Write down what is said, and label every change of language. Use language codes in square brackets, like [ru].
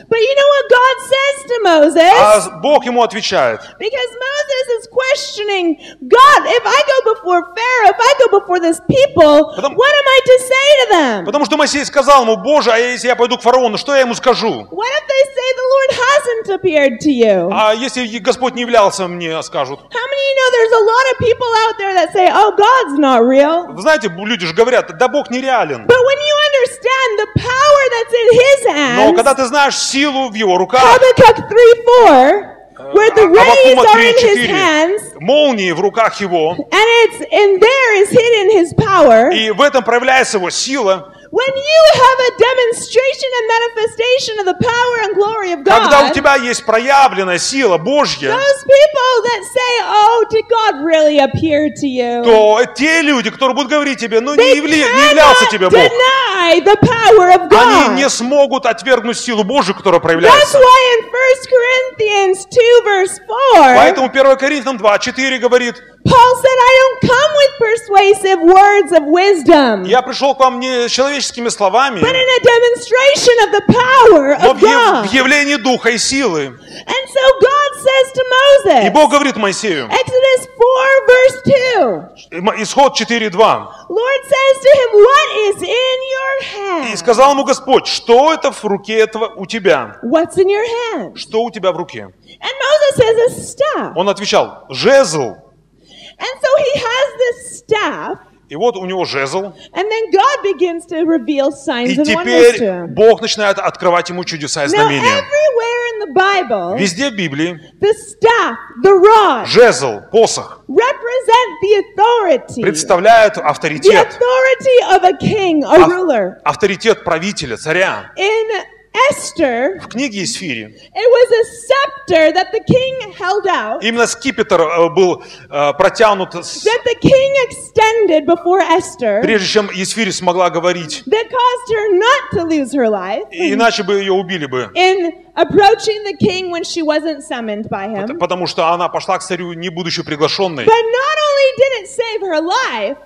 [en] But you know what God says to Moses? [ru] А Бог ему отвечает. [en] Because Moses is questioning God, if I go before Pharaoh, if I go before this people, what am I to say to them? [ru] Потому что Моисей сказал ему: Боже, а если я пойду к фараону, что я ему скажу? [en] What if they say the Lord hasn't appeared to you? [ru] А если Господь не являлся мне, скажут? [en] How many of you know there's a lot of people out there that say, oh, God's not real? [ru] Вы знаете, люди же говорят. Да Бог нереален. [en] But when you understand the power that's in his hands, [ru] но когда ты знаешь силу в его руках, [en] Habakkuk 3:4, where the rays are in his hands, [ru] молнии в руках его, [en] and there is hidden his power, [ru] и в этом проявляется его сила, [en] When you have a demonstration and manifestation of the power and glory of God, [ru] когда у тебя есть проявленная сила Божья, [en] those people that say, "Oh, did God really appear to you?" [ru] То те люди, которые будут говорить тебе, ну не, явли, не являлся тебе Бог, [en] deny the power of God. [ru] Они не смогут отвергнуть силу Божью, которая проявляется. [en] That's why in 1 Corinthians 2 verse 4, [ru] поэтому 1 Коринфянам 2, 4 говорит. [en] Paul said, "I don't come with persuasive words of wisdom." [ru] Я пришел к вам не с человеческими словами. [en] But in a demonstration of the power of God. [ru] Но в явлении духа и силы. [en] And so God says to Moses. [ru] И Бог говорит Моисею. [en] Exodus 4 verse 2. [ru] Исход 4:2. [en] Lord says to him, "What is in your hand?" [ru] И сказал ему Господь, что это в руке этого у тебя? [en] What's in your hand? [ru] Что у тебя в руке? [en] And Moses says, "A staff." [ru] Он отвечал, жезл. [en] And so he has this staff. [ru] И вот у него жезл. [en] And then God begins to reveal signs and wonders. [ru] И теперь Бог начинает открывать ему чудеса и знамения. [en] Now everywhere in the Bible. [ru] Везде в Библии. [en] The staff, the rod. [ru] Жезл, посох. [en] Represent the authority. [ru] Представляют авторитет. [en] The authority of a king, a ruler. [ru] Авторитет правителя, царя. [en] In Esther, [ru] в книге Эсфири, [en] it was a scepter that the king held out, [ru] именно скипетр был протянут, [en] that the king extended before Esther, [ru] прежде чем Эсфири смогла говорить, [en] that caused her not to lose her life, [ru] иначе бы ее убили бы. [en] In approaching the king when she wasn't summoned by him. [ru] Потому что она пошла к царю, не будучи приглашенной. [en] But not only did it save her life,